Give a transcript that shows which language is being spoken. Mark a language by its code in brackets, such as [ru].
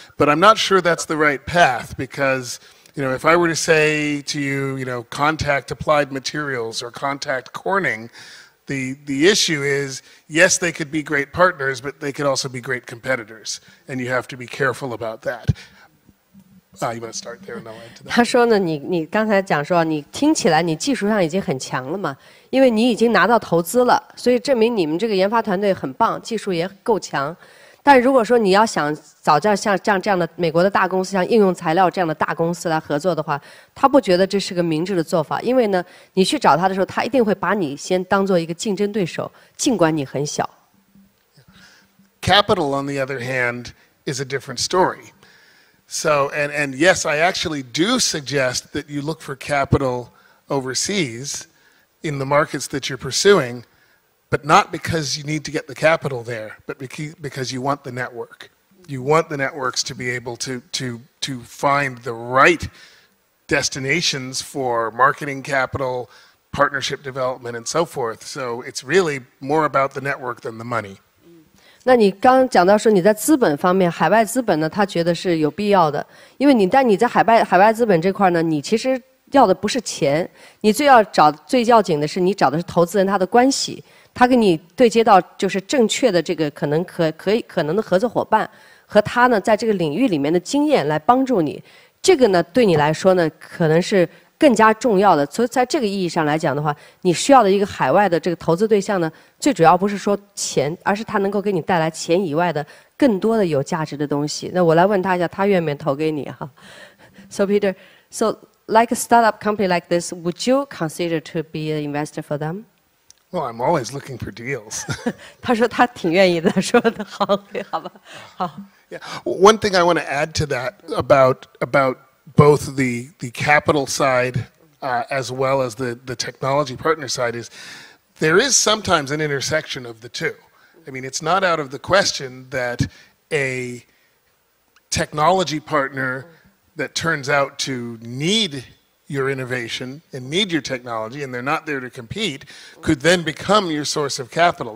[en] But I'm not sure that's the right path because, you know, if I were to say to you, you know, contact Applied Materials or contact Corning,The issue is, yes, they could be great partners, but they could also be great competitors. And you have to be careful about that. You want to start there and I'll add to that. [zh] 他说呢，你刚才讲说，你听起来你技术上已经很强了嘛，因为你已经拿到投资了，所以证明你们这个研发团队很棒，技术也够强。但如果说你要想找这样像这样的美国的大公司，像应用材料这样的大公司来合作的话，他不觉得这是个明智的做法，因为呢，你去找他的时候，他一定会把你先当做一个竞争对手，尽管你很小。 [en] Capital, on the other hand, is a different story. So, and yes, I actually do suggest that you look for capital overseas in the markets that you're pursuing. But not because you need to get the capital there, but because you want the network. You want the networks to be able to find the right destinations for marketing capital, partnership development, and so forth. So it's really more about the network than the money. [zh] 那你刚讲到说你在资本方面，海外资本呢，他觉得是有必要的，因为你但你在海外资本这块呢，你其实要的不是钱，你最要找最要紧的是你找的是投资人他的关系，他跟你对接到就是正确的这个可能可能的合作伙伴，和他呢在这个领域里面的经验来帮助你，这个呢对你来说呢可能是更加重要的。所以在这个意义上来讲的话，你需要的一个海外的这个投资对象呢，最主要不是说钱，而是他能够给你带来钱以外的更多的有价值的东西。那我来问他一下，他愿不愿意投给你哈 [en] ？So Peter, so like a startup company like this, would you consider to be an investor for them? Well, I'm always looking for deals. [zh] 他说他挺愿意的，说的好，对，好吧，好。 [en] Yeah, one thing I want to add to that about. Both the capital side as well as the technology partner side is there is sometimes an intersection of the two. I mean, it's not out of the question that a technology partner that turns out to need your innovation and need your technology and they're not there to compete could then become your source of capital.